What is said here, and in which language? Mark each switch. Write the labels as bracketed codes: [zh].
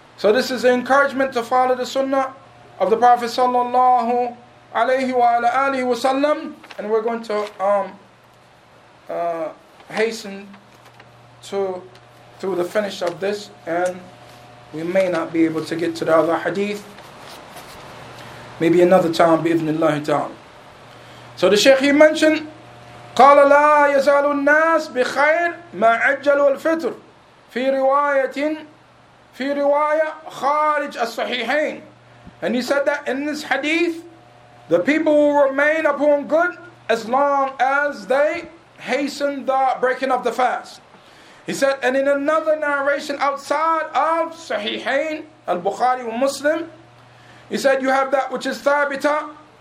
[en] So this is an encouragement to follow the sunnah of the Prophet sallallahu alayhi wa alayhi wa sallam. And we're going to hasten through the finish of this, and we may not be able to get to the other hadith. Maybe another time, bi-ithnillahi ta'ala. So the Shaykh, he mentioned, [ar] قال لا يزال الناس بخير ما عجلوا الفطر في رواية خارج الصحيحين. [en] And he said that in this hadith, the people will remain upon good as long as they hasten the breaking of the fast. He said, and in another narration outside of Sahihain, al-Bukhari and Muslim, he said, you have that which is ثابتة.